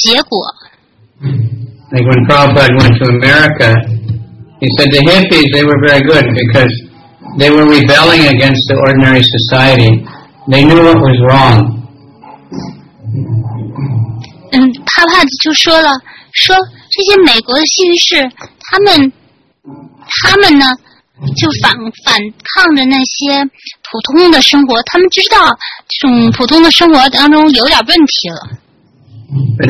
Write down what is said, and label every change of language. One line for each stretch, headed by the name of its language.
Chinese: 每一个奉献者，他们都是这样子的，他们就是他们的享受的受到了挫折，他们就觉悟到了，就是没有任何的结果。
English: Like when Prabhupada went to America. He said the hippies, they were very good because they were rebelling against the ordinary society. They knew what was wrong.
Chinese: 帕帕就说了，说这些美国的幸运士，他们呢就反抗着那些普通的生活，他们知道这种普通的生活当中有点问题了。
English: But